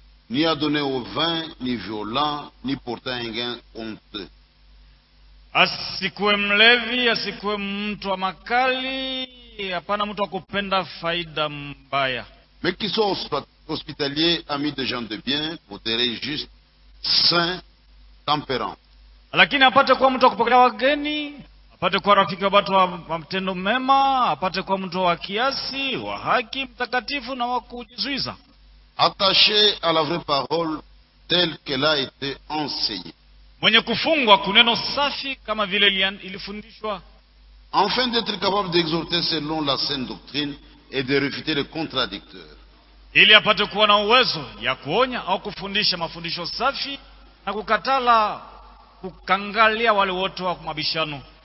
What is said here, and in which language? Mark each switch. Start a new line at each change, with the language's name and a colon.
French: Ni adone au vin, ni violent, ni portant un gain honte.
Swahili: Asikuwe mlevi, asikuwe mtu wa makali, hapana mtu wa kupenda faida mbaya.
French: Mais qu'ils soient hospitaliers, amis de gens de bien, modérés, justes, saints, tempérants.
Swahili: Lakini apate kuwa mtu wa kupokea wageni, apate kuwa rafiki wa watu wa mtendo mema, apate kuwa mtu wa kiasi, wa haki, mtakatifu na wa kujizuiza.
French: Attaché à la vraie parole telle qu'elle a été enseignée.
Swahili: Mwenye kufungwa kuneno safi kama vile ilifundishwa.
French: Afin d'être capable d'exhorter selon la saine doctrine et de refuter les contradicteurs.
Swahili: Ili apate kuwa na uwezo ya kuonya au kufundisha mafundisho safi na kukatala kukangalia wale wote wa mabishano.